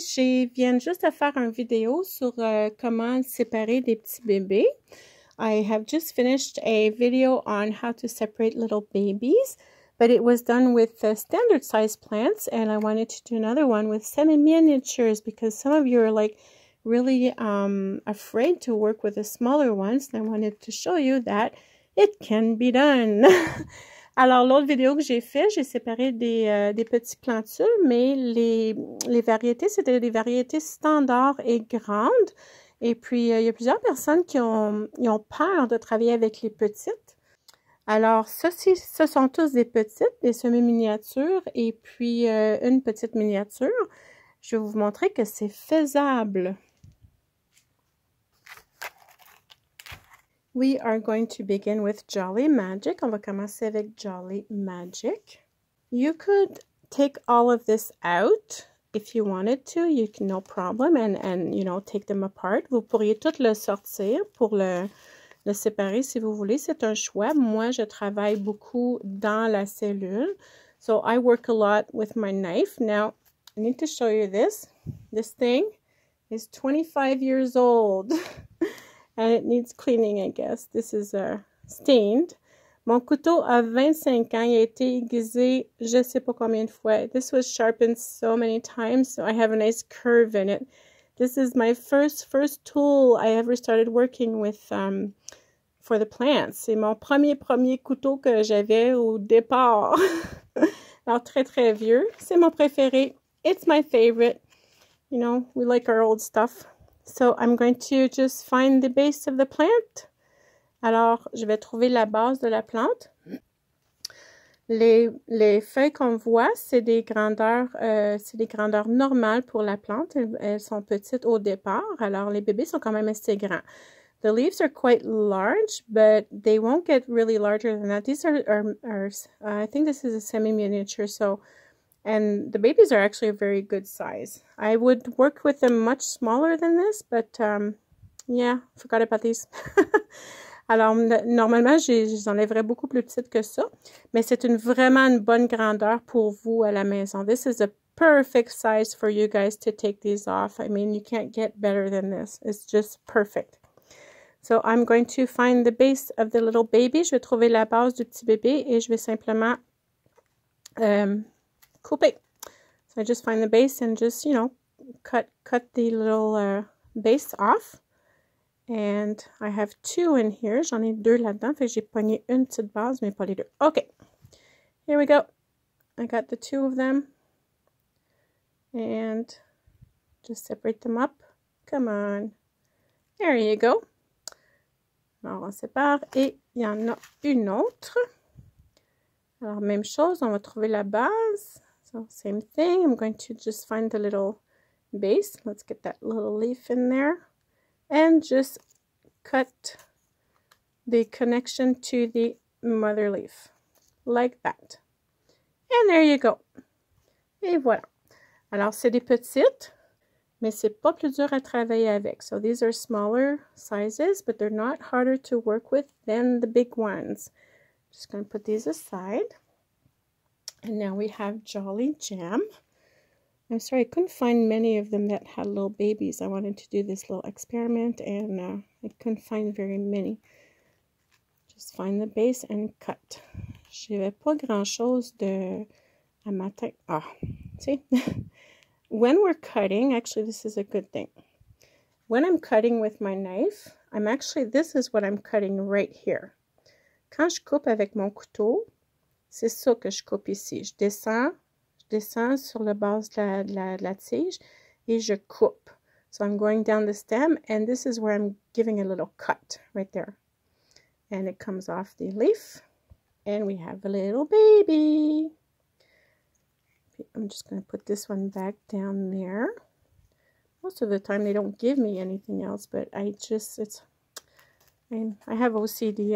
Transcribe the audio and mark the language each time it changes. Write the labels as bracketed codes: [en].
[fr] Je viens juste de faire une vidéo sur comment séparer des petits bébés. [en] I have just finished a video on how to separate little babies, but it was done with the standard size plants, and I wanted to do another one with semi-miniatures because some of you are like really afraid to work with the smaller ones, and I wanted to show you that it can be done. [fr] Alors, l'autre vidéo que j'ai fait, j'ai séparé des petites plantules, mais les variétés, c'était des variétés standards et grandes. Et puis, il y a plusieurs personnes qui ont peur de travailler avec les petites. Alors, ceci, ce sont tous des petites, des semi-miniatures et puis une petite miniature. Je vais vous montrer que c'est faisable. [en] We are going to begin with Jolly Magic. [fr] On va commencer avec Jolly Magic. [en] You could take all of this out if you wanted to. You can, no problem, and you know, take them apart. [fr] Vous pourriez tout le sortir pour le séparer si vous voulez. C'est un choix. Moi, je travaille beaucoup dans la cellule. [en] So I work a lot with my knife. Now, I need to show you this. This thing is 25 years old. And it needs cleaning, I guess. This is stained. [fr] Mon couteau a 25 ans. Il a été aiguisé je sais pas combien de fois. [en] This was sharpened so many times, so I have a nice curve in it. This is my first tool I ever started working with for the plants. [fr] C'est mon premier couteau que j'avais au départ. Alors, très, très vieux. C'est mon préféré. [en] It's my favorite. You know, we like our old stuff. So, I'm going to just find the base of the plant. [fr] Alors, je vais trouver la base de la plante. Les feuilles qu'on voit, c'est des grandeurs normales pour la plante. Elles sont petites au départ. Alors, les bébés sont quand même assez grands. [en] The leaves are quite large, but they won't get really larger than that. These are I think this is a semi-miniature, so... And the babies are actually a very good size. I would work with them much smaller than this, but yeah, forgot about these. [fr] Alors, normalement, j'enlèverais beaucoup plus petite que ça, mais c'est une vraiment une bonne grandeur pour vous à la maison. [en] This is a perfect size for you guys to take these off. I mean, you can't get better than this. It's just perfect. So I'm going to find the base of the little baby. [fr] Je vais trouver la base du petit bébé et je vais simplement... Coupé. [en] So I just find the base and just, you know, cut the little base off. And I have two in here. [fr] J'en ai deux là-dedans. Fait que j'ai pogné une petite base, mais pas les deux. [en] Okay. Here we go. I got the two of them. And just separate them up. Come on. There you go. [fr] Alors, on sépare. Et il y en a une autre. Alors, même chose. On va trouver la base. [en] So, same thing. I'm going to just find the little base. Let's get that little leaf in there. And just cut the connection to the mother leaf. Like that. And there you go. [fr] Et voilà. Alors, c'est des petites, mais c'est pas plus dur à travailler avec. [en] So, these are smaller sizes, but they're not harder to work with than the big ones. Just going to put these aside. And now we have Jolly Jam. I'm sorry, I couldn't find many of them that had little babies. I wanted to do this little experiment, and I couldn't find very many. Just find the base and cut. [fr] Je n'avais pas grand-chose de... à ma tête. [en] Ah, see? When we're cutting, actually, this is a good thing. When I'm cutting with my knife, I'm actually... This is what I'm cutting right here. [fr] Quand je coupe avec mon couteau, c'est ça que je coupe ici. Je descends sur la base de la tige et je coupe. [en] So I'm going down the stem and this is where I'm giving a little cut right there. And it comes off the leaf and we have a little baby. I'm just going to put this one back down there. Most of the time they don't give me anything else, but I just, it's, I have OCD.